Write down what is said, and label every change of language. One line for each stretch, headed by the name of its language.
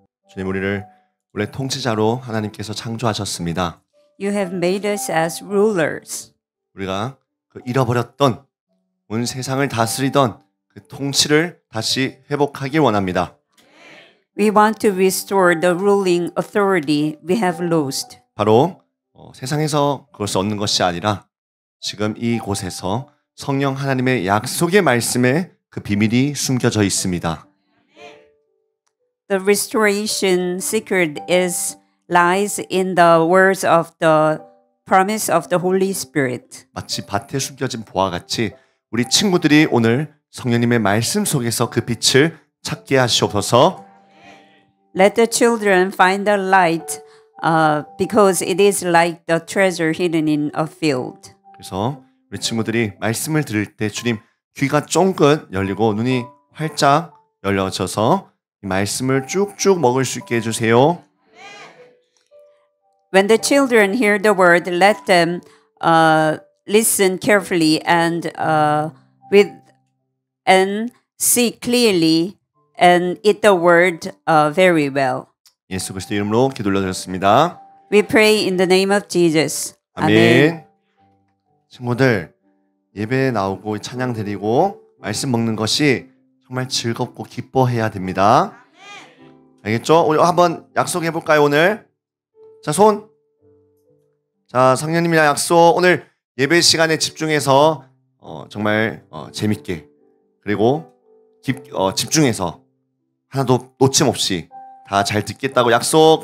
Korean: 주님 우리를 원래 통치자로 하나님께서 창조하셨습니다.
English: You have made us as rulers.
Korean: 우리가 그 잃어버렸던 온 세상을 다스리던 그 통치를 다시 회복하길 원합니다.
English: We want to restore the ruling authority we have lost.
Korean: 바로 세상에서 그것을 얻는 것이 아니라 지금 이곳에서 성령 하나님의 약속의 말씀에 그 비밀이 숨겨져 있습니다.
English: The restoration secret is lies in the words of the promise of the Holy Spirit.
Korean: 마치 밭에 숨겨진 보화 같이 우리 친구들이 오늘 성령님의 말씀 속에서 그 빛을 찾게 하시옵소서.
English: Let the children find the light because it is like the treasure hidden in a field.
Korean: 그래서 우리 친구들이 말씀을 들을 때 주님 귀가 쫑긋 열리고 눈이 활짝 열려져서 이 말씀을 쭉쭉 먹을 수 있게 해주세요.
English: When the children hear the word, let them listen carefully and with and see clearly and eat the word very well.
Korean: 예수 그리스도 이름으로 기도 올려드렸습니다.
English: We pray in the name of Jesus.
Korean: 아멘. 아멘. 친구들 예배 나오고 찬양 드리고 말씀 먹는 것이 정말 즐겁고 기뻐해야 됩니다. 아멘. 알겠죠? 우리 한번 약속해 볼까요 오늘? 자 손. 자 성령님이나 약속 오늘 예배 시간에 집중해서 정말 재밌게 그리고 집중해서 하나도 놓침 없이 다 잘 듣겠다고 약속.